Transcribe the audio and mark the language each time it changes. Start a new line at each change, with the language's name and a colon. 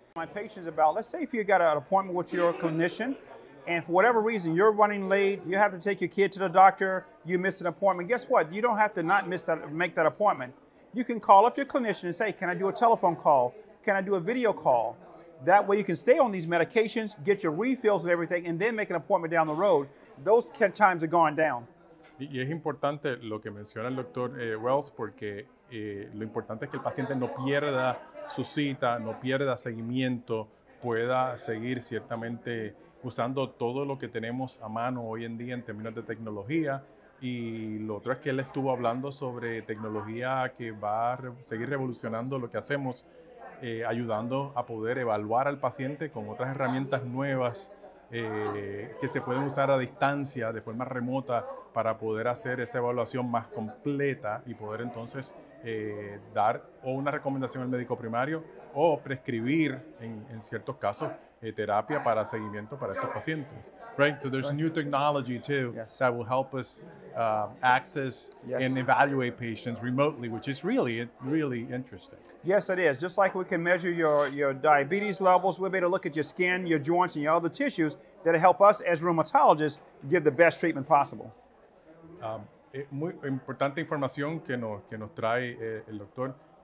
English: My patient's about, let's say if you got an appointment with your clinician, and for whatever reason, you're running late, you have to take your kid to the doctor, you missed an appointment. Guess what? You don't have to not miss that, make that appointment. You can call up your clinician and say, can I do a telephone call? Can I do a video call? That way you can stay on these medications, get your refills and everything, and then make an appointment down the road. Those times are gone down.
Spanish: Y es importante lo que menciona el doctor Wells, porque lo importante es que el paciente no pierda su cita, no pierda seguimiento, pueda seguir ciertamente usando todo lo que tenemos a mano hoy en día en términos de tecnología. Y lo otro es que él estuvo hablando sobre tecnología que va a seguir revolucionando lo que hacemos, ayudando a poder evaluar al paciente con otras herramientas nuevas que se pueden usar a distancia, de forma remota, para poder hacer esa evaluación más completa y poder entonces dar o una recomendación al médico primario o prescribir, en ciertos casos, terapia para seguimiento para estos pacientes.
English: Right, so there's new technology too that will help us access and evaluate patients remotely, which is really, really interesting. Yes, it is. Just like we can measure your diabetes levels, we'll be able to look at your skin, your joints, and your other tissues that will help us as rheumatologists give the best treatment possible.
Spanish: Muy importante información que nos trae el doctor.